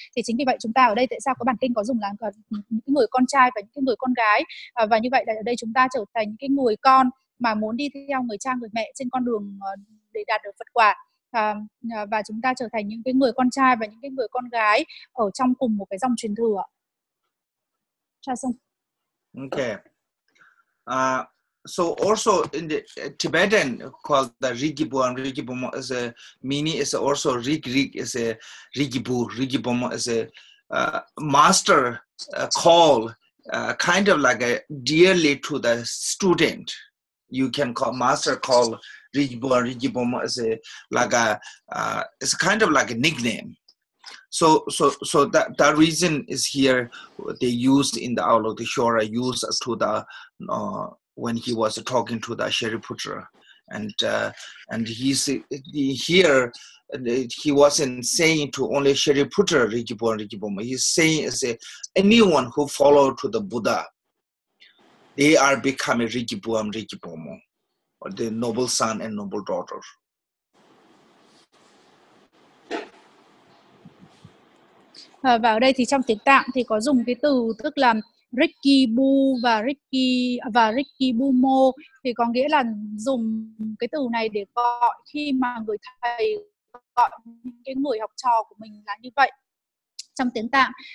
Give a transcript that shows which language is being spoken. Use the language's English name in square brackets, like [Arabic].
[Vietnamese] Thì chính vì vậy chúng ta ở đây, tại sao có bản kinh có dùng là những người con trai và những người con gái, và như vậy là ở đây chúng ta trở thành những người con mà muốn đi theo người cha người mẹ trên con đường để đạt được Phật quả, và chúng ta trở thành những người con trai và những người con gái ở trong cùng một cái dòng truyền thừa. Cha xong. Okay. [English] So also in the Tibetan called the Rigipo, and Rigipo is a meaning is also Rig is a Rigipo. Rigipo is a master call, kind of like a dearly to the student. You can call master call Rigipo, and Rigipo is a like a it's kind of like a nickname. So that reason is here. They used in the Aula of the Shora, used to the when he was talking to the Shariputra, and here he wasn't saying to only Shariputra Rigipo and Rigipoma. He's saying is anyone who follow to the Buddha, they are becoming Rigipo and Rigipoma, or the noble son and noble daughter. [Vietnamese] Và ở đây thì trong tiếng Tạng thì có dùng cái từ tức là Rikibu và Rikibumo, thì có nghĩa là dùng cái từ này để gọi khi mà người thầy gọi cái người học trò của mình là như vậy trong tiếng Tạng.